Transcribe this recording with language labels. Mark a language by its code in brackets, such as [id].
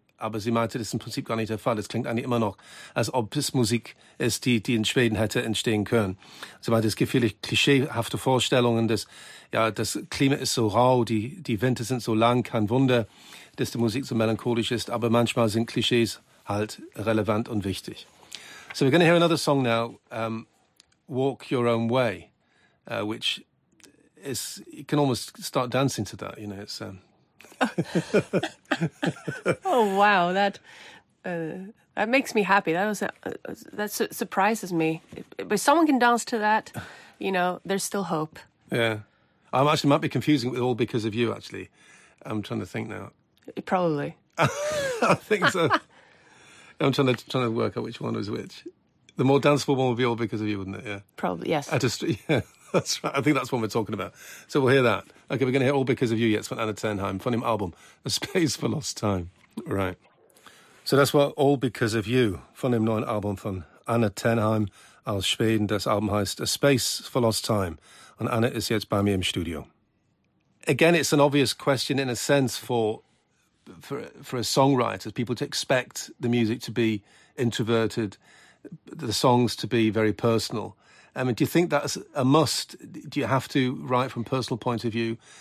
[de] Aber sie meinte, das ist im Prinzip gar nicht der Fall. Es klingt eigentlich immer noch, als ob es Musik ist, die in Schweden hätte entstehen können. Sie meinte, es gibt viele klischeehafte Vorstellungen, dass, ja, das Klima ist so rau, die Winter sind so lang, kein Wunder, dass die Musik so melancholisch ist. Aber manchmal sind Klischees halt relevant und wichtig. [en] So we're going to hear another song now, Walk Your Own Way, which is, you can almost start dancing to that, you know, it's... Oh wow, that makes me happy. That surprises me. If someone can dance to that, you know, there's still hope. Yeah, I'm actually might be confusing it all because of you. Actually, I'm trying to think now. Probably. I think so. I'm trying to work out which one is which. The more danceable one would be all because of you, wouldn't it? Yeah. Probably yes. Yeah. That's right. I think that's what we're talking about. So we'll hear that. Okay, we're going to hear All Because of You. Yes, from Anna Ternheim, from his album, A Space for Lost Time. Right. So that's what All Because of You, from his new album, from Anna Ternheim [de] aus Schweden. Das Album heißt A Space for Lost Time. [en] And Anna is [de] jetzt bei mir im Studio. [en] Again, it's an obvious question in a sense for a songwriter, people to expect the music to be introverted, the songs to be very personal. I mean, do you think that's a must? Do you have to write from a personal point of view?